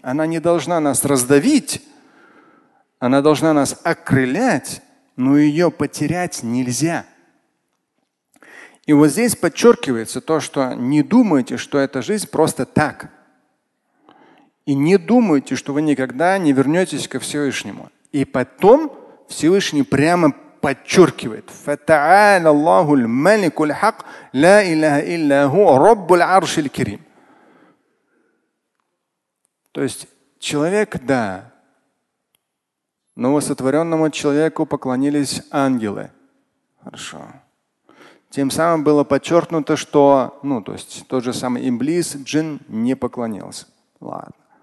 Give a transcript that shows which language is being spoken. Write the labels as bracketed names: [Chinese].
[Russian] Она не должна нас раздавить, она должна нас окрылять, но ее потерять нельзя. И вот здесь подчеркивается то, что не думайте, что эта жизнь просто так. И не думайте, что вы никогда не вернетесь ко Всевышнему. И потом Всевышний прямо подчеркивает: [Arabic] فَتَعَالَ اللَّهُ الْمَلِكُ الْحَقُّ لَا إِلَّهَ إِلَّا هُوَ رَبُّ الْعَرْشِ الْكِرِيمِ. [Russian] То есть человек, да, новосотворенному человеку поклонились ангелы. Хорошо. Тем самым было подчеркнуто, что, ну, то есть тот же самый Иблис, джин, не поклонился. Ладно.